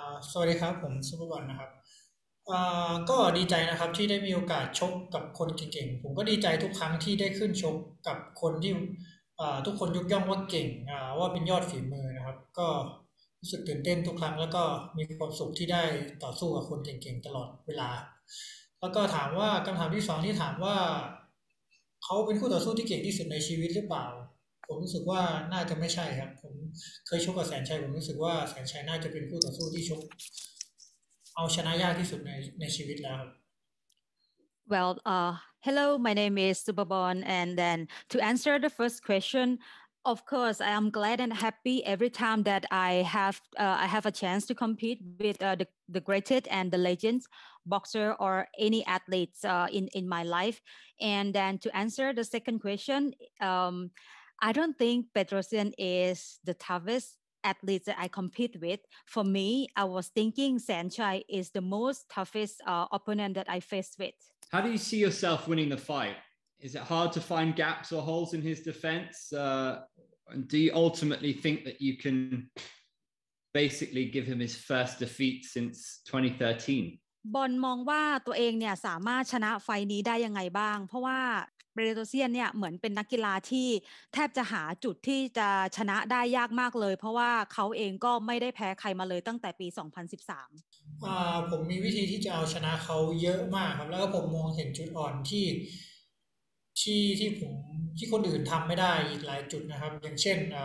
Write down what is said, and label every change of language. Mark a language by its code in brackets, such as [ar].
[th] สวัสดีครับผมซูเปอร์บอลนะครับก็ดีใจนะครับที่ได้มีโอกาสชกกับคนเก่งๆผมก็ดีใจทุกครั้งที่ได้ขึ้นชกกับคนที่ทุกคนยกย่องว่าเก่งว่าเป็นยอดฝีมือนะครับก็รู้สึกตื่นเต้นทุกครั้งแล้วก็มีความสุขที่ได้ต่อสู้กับคนเก่งๆตลอดเวลาแล้วก็ถามว่าคำถามที่สองที่ถามว่า เขาเป็นคู่ต่อสู้ที่เก่งที่สุดในชีวิตหรือเปล่าผมรู้สึกว่าน่าจะไม่ใช่ครับผมเคยชกกับแสนชัยผมรู้สึกว่าแสนชัยน่าจะเป็นคู่ต่อสู้ที่ชกเอาชนะยากที่สุดในชีวิตแล้ว [en] Well, hello, my name is Supabon, and then to answer the first question, of course, I am glad and happy every time that I have a chance to compete with the greatest and the legends boxer or any athletes in my life. And then to answer the second question, I don't think Petrosian is the toughest athlete that I compete with. For me, I was thinking San Chai is the most toughest opponent that I faced with. How do you see yourself winning the fight? Is it hard to find gaps or holes in his defense? And do you ultimately think that you can basically give him his first defeat since 2013? [th] บอลมองว่าตัวเองเนี่ยสามารถชนะไฟนี้ได้ยังไงบ้างเพราะว่าเปโตรเซียนเนี่ยเหมือนเป็นนักกีฬาที่แทบจะหาจุดที่จะชนะได้ยากมากเลยเพราะว่าเขาเองก็ไม่ได้แพ้ใครมาเลยตั้งแต่ปี2013 ผมมีวิธีที่จะเอาชนะเขาเยอะมากครับแล้วก็ผมมองเห็นจุดอ่อนที่ผมที่คนอื่นทำไม่ได้อีกหลายจุดนะครับอย่างเช่น